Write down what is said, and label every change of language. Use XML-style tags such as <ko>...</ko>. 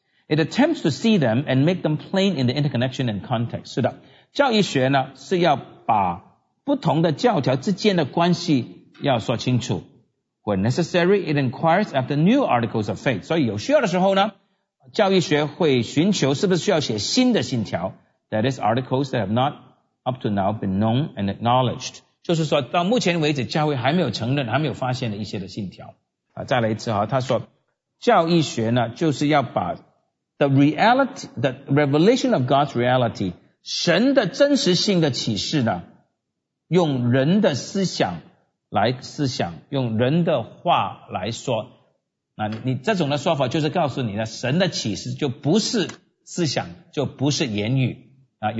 <en>It attempts to see them and make them plain in the interconnection and context.</en> <zh>是的，教义学呢是要把不同的教条之间的关系要说清楚。</zh> <en>When necessary, it inquires after new articles of faith.</en> <zh>所以有需要的时候呢，教义学会寻求是不是需要写新的信条。</zh> <en>That is articles that have not up to now been known and acknowledged.</en> <zh>就是说到目前为止教会还没有承认还没有发现的一些的信条。啊，再来一次啊，他说教义学呢就是要把</zh> <en>the revelation of God's reality,</en> <zh>神的真实性的启示呢用人的思想来思想，用人的话来说，那你这种的说法就是告诉你的神的启示就不是思想，就不是言语啊。</zh>